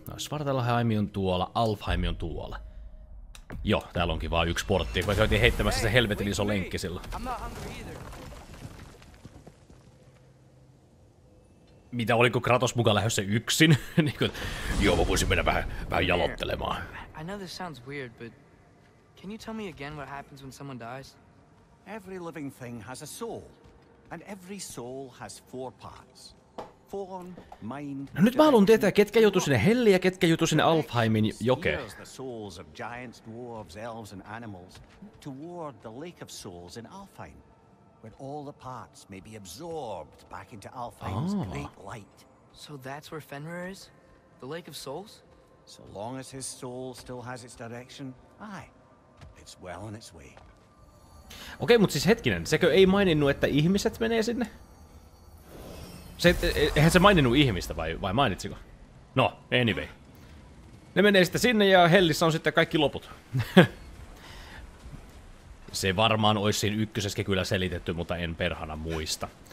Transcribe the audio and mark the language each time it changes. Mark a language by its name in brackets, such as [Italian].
[Finnish] No, Svartalaheimi on tuolla, Alfheimi on tuolla. Joo, täällä onkin vaan yksi portti, kun käytiin heittämässä se helvetin iso lenkki silloin. Mitä, oliko Kratos mukaan lähdössä yksin? Joo, mä voisin mennä vähän jalottelemaan. [English] I know this sounds weird, but can you tell me again what happens when someone dies? Every living thing has a soul, and every soul has four parts. Form, mind, [Finnish] no nyt mä haluun tietää, ketkä joutuu sinne Helli ja ketkä joutuu sinne Alfheimin jokeen. [English] So that's where Fenrir is? The Lake of Souls? So long as his soul still has its direction, aye, it's well on its way. [Finnish] Okei, mutta siis hetkinen, sekö ei maininnut, että ihmiset menee sinne? Eihän se maininnut ihmistä, vai mainitsiko? No, anyway. Ne menee sitten sinne ja Hellissä on sitten kaikki loput. Se varmaan olisi siinä ykkösessäkin kyllä selitetty, mutta en perhana muista.